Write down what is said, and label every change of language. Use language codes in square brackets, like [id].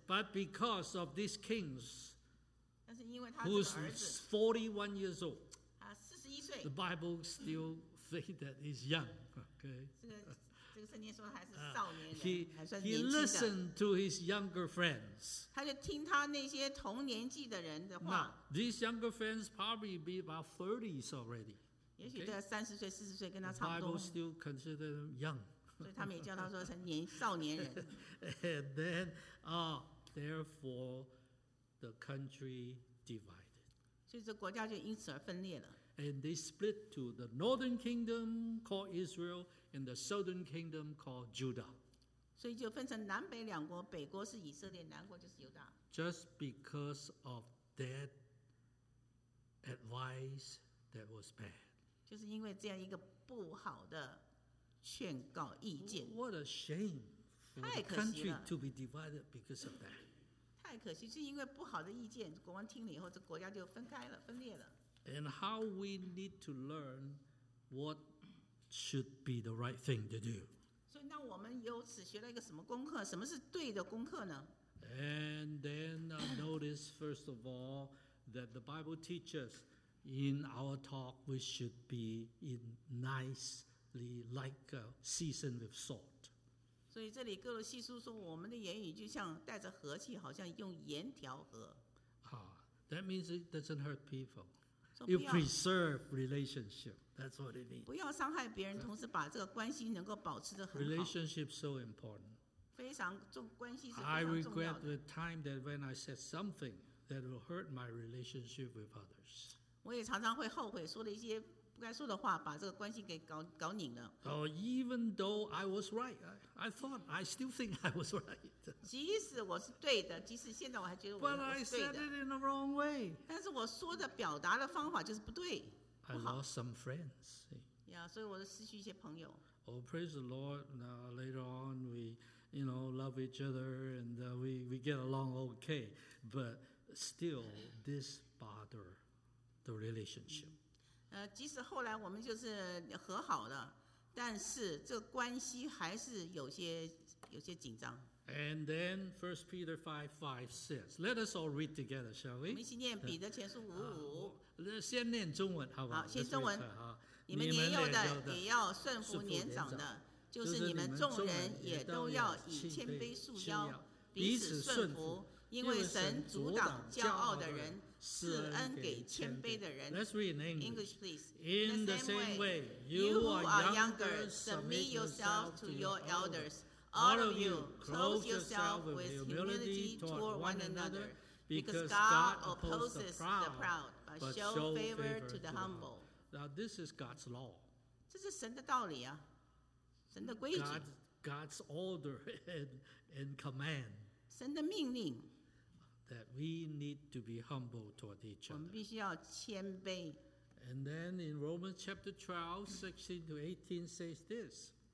[en] But because of these kings, [zh] 但是因为他这个儿子 [en] who's 41 years old, [zh] 啊，41岁。 [en] The Bible still say that he's young. Okay. [zh] 这个圣经说还是少年人，还算年轻的。 [en] He listened to his younger friends. [zh] 他就听他那些同年纪的人的话。 [en] Now, these younger friends probably be about 30s already. [zh] 也许在三十岁、四十岁跟他差不多。 [en] The Bible still consider them young. [zh] 所以他们也叫他说成年少年人。 [en] And then, therefore, the country divided. [zh] 所以这国家就因此而分裂了。 [en] And they split to the northern kingdom called Israel and the southern kingdom called Judah. [zh] 所以就分成南北两国，北国是以色列，南国就是犹大。 [en] Just because of that advice that was bad. [zh] 就是因为这样一个不好的劝告意见。 [en] What a shame for the country to be divided because of that. [zh] 太可惜，是因为不好的意见，国王听了以后，这国家就分开了，分裂了。 [en] And how we need to learn what should be the right thing to do. So, [zh] 那我们由此学了一个什么功课？什么是对的功课呢？ [en] And then notice, first of all, that the Bible teaches in our talk we should be in nicely, like seasoned with salt. [zh] 所以这里哥罗西书说，我们的言语就像带着和气，好像用盐调和。 [en] That means it doesn't hurt people. You preserve relationship. That's what it means. [zh] 不要伤害别人，同时把这个关系能够保持得很好。 [en] Relationship so important. [zh] 非常重，关系是非常重要的。 [en] I regret the time that when I said something that will hurt my relationship with others. [zh] 我也常常会后悔说了一些不该说的话，把这个关系给搞拧了。 [en] Oh, even though I was right, I thought, I still think I was right. [zh] 即使我是对的，即使现在我还觉得我是对的。 [en] But I said it in the wrong way. [zh] 但是我说的表达的方法就是不对。 [en] I lost some friends. [zh] Yeah, 所以我失去一些朋友。 [en] Oh, praise the Lord. Now, later on, we, you know, love each other and we get along okay. But still, this bothered the relationship. [zh] 即使后来我们就是和好了，但是这关系还是有些紧张。 [en] And then 1 Peter 5, 5 says, let us all read together, shall we? [zh] 我们一起念彼得前书五五。先念中文，好不好？先中文。你们年幼的也要顺服年长的，就是你们众人也都要以谦卑束腰，彼此顺服，因为神阻挡骄傲的人，赐恩给谦卑的人。 [en] Let's read in English. English, please. In the same way, you who are younger, submit yourself to your elders. All of you, clothe yourself with humility toward one another, because God opposes the proud, but shows favor to the humble. Now, this is God's law. [zh] 这是神的道理啊，神的规矩。 [en] God's order and command. [zh] 神的命令。 [en] That we need to be humble toward each other. [zh] 我们必须要谦卑。 [en] And then in Romans chapter 12, 16 to 18 says this.